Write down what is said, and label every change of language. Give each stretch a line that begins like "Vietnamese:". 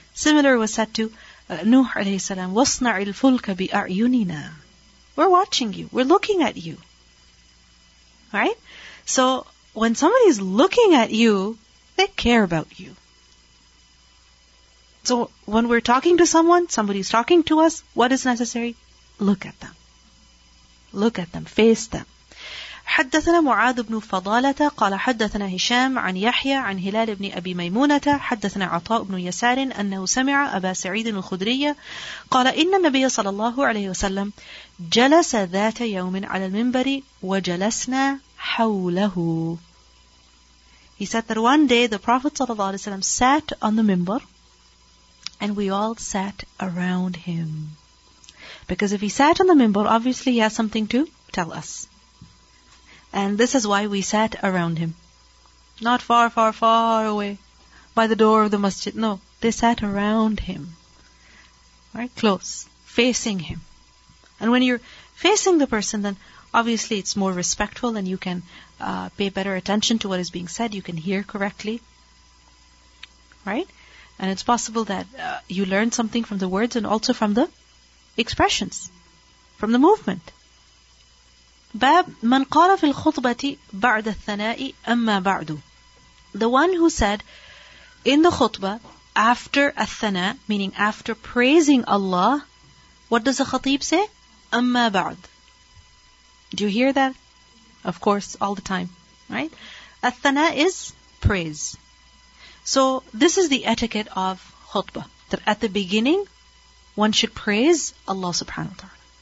English: Similar was said to Nuh alayhi salam,
Arabic: wasna' al-fulka bi'a'yunina.
English: We're watching you. We're looking at you. Right? So, when somebody is looking at you, they care about you. So, when we're talking to someone, somebody's talking to us, what is necessary? Look at them. Look at them. Face them.
Arabic: حدثنا معاذ بن فضالة قال حدثنا هشام عن يحيى عن هلال بن أبي ميمونة حدثنا عطاء بن يسار أنه سمع أبا سعيد الخدري قال إن النبي صلى الله عليه وسلم جلس ذات يوم على المنبر وجلسنا حوله.
English: He said that one day the Prophet صلى الله عليه وسلم sat on the minbar and we all sat around him. Because if he sat on the minbar, obviously he has something to tell us. And this is why we sat around him. Not far, far, far away by the door of the masjid. No, they sat around him. Right? Close. Facing him. And when you're facing the person, then obviously it's more respectful and you can pay better attention to what is being said. You can hear correctly. Right? And it's possible that you learn something from the words and also from the expressions. From the movement.
Arabic: باب من قال في الخطبة بعد الثناء أما بعد.
English: The one who said in the khutbah, after athana, meaning after praising Allah, what does the khatib say? Amma ba'd. Do you hear that? Of course, all the time, right? Athana is praise. So this is the etiquette of khutbah, that at the beginning, one should praise Allah subhanahu wa ta'ala.